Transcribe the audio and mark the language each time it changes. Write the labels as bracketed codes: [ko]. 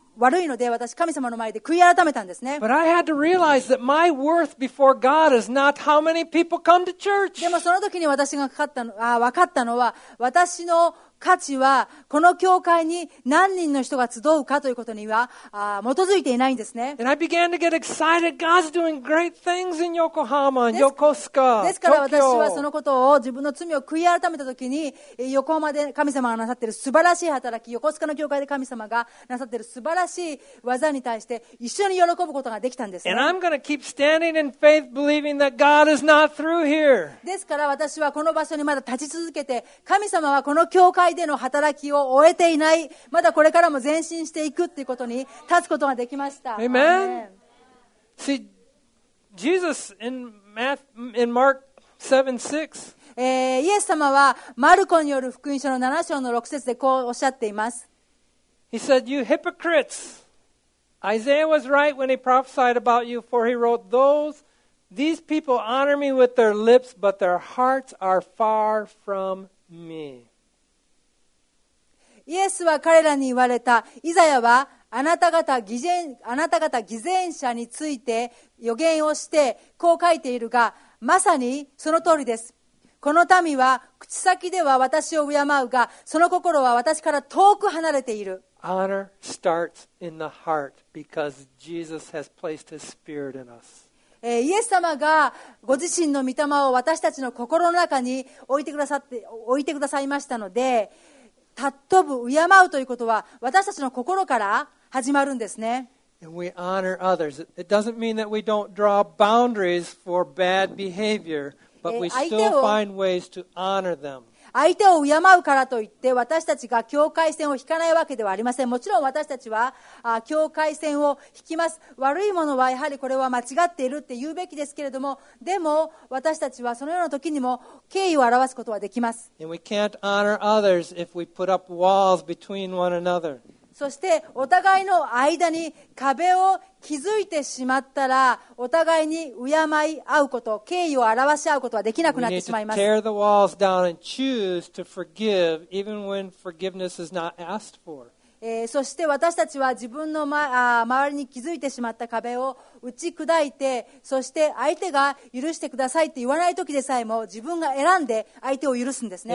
[ja] 悪いので私神様の前で悔い改めたんですね。 [en] But I had to realize that my worth before God is not how many people come to church. [ja] でもその時に私がわかったのは私の価値はこの教会に何人の人が集うかということには基づいていないんですね。 [en] And I began to get excited. God's doing great things in Yokohama, Yokosuka. [ja] ですから私はそのことを自分の罪を悔い改めた時に横浜で神様がなさっている素晴らしい働き、横須賀の教会で神様がなさっている素晴らしい技に対して一緒に喜ぶことができたんです、ね。 [en] And I'm going to keep standing in faith, believing that God is not through here. [ja] ですから私はこの場所にまだ立ち続けて神様はこの教会教会での働きを終えていない、まだこれからも前進していくということに立つことができました。 [en] Amen. See, Jesus in Mark 7:6, [ja] イエス様はマルコによる福音書の7章の6節でこうおっしゃっています。 [en] He said, you hypocrites, Isaiah was right when he prophesied about you, for he wrote, these people honor me with their lips, but their hearts are far from me. [ja] イエスは彼らに言われた。イザヤはあなた方偽善者について予言をしてこう書いているが、まさにその通りです。この民は口先では私を敬うが、その心は私から遠く離れている。 [en] Honor starts in the heart because Jesus has placed his spirit in us. [ja] イエス様がご自身の御霊を私たちの心の中に置いてくださいましたので、尊ぶ、敬うということは私たちの心から始まるんですね。 [en] And we honor others. It doesn't mean that we don't draw boundaries for bad behavior, but we still find ways to honor them. [ja] 相手を敬うからといって私たちが境界線を引かないわけではありません。もちろん私たちは境界線を引きます。悪いものはやはりこれは間違っているって言うべきですけれども、でも私たちはそのような時にも敬意を表すことはできます。 [en] And we can't honor others if we put up walls between one another. [ja] そしてお互いの間に壁を築いてしまったら、お互いに敬い合うこと、敬意を表し合うことはできなくなってしまいます。 [en] We need to tear the walls down and choose to forgive, even when forgiveness is not asked for. [ja] そして私たちは自分の、周りに築いてしまった壁を打ち砕いて、そして相手が許してくださいって言わないときでさえも自分が選んで相手を許すんですね。